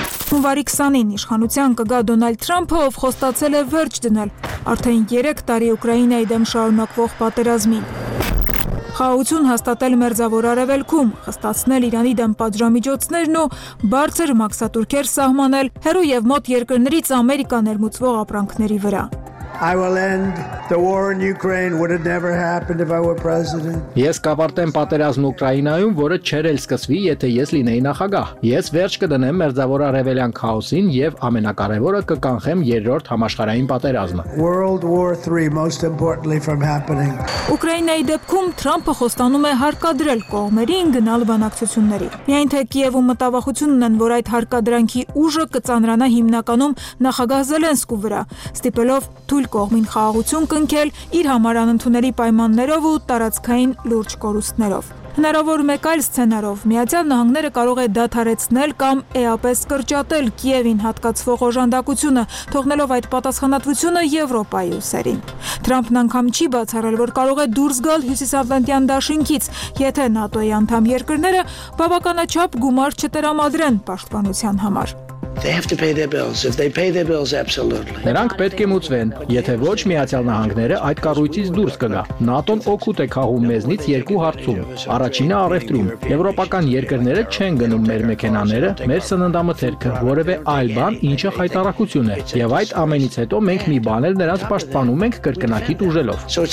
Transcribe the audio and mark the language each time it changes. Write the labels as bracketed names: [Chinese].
[Armenian] Հունվարի 20-ին իշխանության կգա Դոնալդ Թրամփը, ով խոստացել է վերջ դնել արդեն 3 տարի Ուկրաինայի դեմ շարունակվող պատերազմին։ Խաղաղություն հաստատել մերձավոր արևելքում, խստացնել Իրանի դեմ պատժամիջոցներն ու բարձր մակսատուրքեր սահմանել հերոյ եւ մոտ երկրներից Ամերիկա ներմուծվող ապրանքների վրա։ [English] I will end the war in Ukraine. Would have never happened if I were president. [Armenian] Ես կապարտեմ պատերազմ Ուկրաինայում, որը չեր էլ սկսվի, եթե ես լինեի նախագահ։ Ես վերջ կդնեմ մերձավոր արևելյան քաոսին եւ ամենակարևորը կկանխեմ երրորդ համաշխարհային պատերազմը։ [English] World War 3 most importantly from happening. [Armenian] Ուկրաինայի դեպքում Թրամփը խոստանում է հարկադրել կողմերին գնալ բանակցությունների։ Միայն թե Կիևը մտավախությունն ունեն, որ այդ հարկադրանքի ուժը կծանրանա հիմնականում նախագահ Զելենսկու վրա, ստիպելով թույլ կողմին խաղաղություն կնքել իր համար անընդունելի պայմաններով ու տարածքային լուրջ կորուստներով։ Հնարավոր մեկ այլ սցենարով Միացյալ Նահանգները կարող է դադարեցնել կամ էապես կրճատել Կիևին հատկացվող օժանդակությունը, թողնելով այդ պատասխանատվությունը Եվրոպայի ուսերին։ Թրամփն անգամ չի բացառել, որ կարող է դուրս գալ Հյուսիսատլանտյան դաշինքից, եթե ՆԱՏՕ-ի անդամ երկրները բավականաչափ գումար չտրամադրեն պաշտպանության համար։ [English] They have to pay their bills. If they pay their bills, absolutely. [Armenian] Նրանք պետք է մուծվեն, եթե ոչ Միացյալ Նահանգները այդ կառույցից դուրս կգա։ ՆԱՏՕ-ն օգուտ է քաղում մեզնից երկու հարցում։ Առաջինը՝ առևտրում։ Եվրոպական երկրները չեն գնում մեր մեքենաները, մեր սննդամթերքը, որևէ այլ բան, ինչը խայտառակություն է։ Եվ այդ ամենից հետո մենք մի բան էլ նրանց պաշտպանում ենք կրկնակի դուժելով։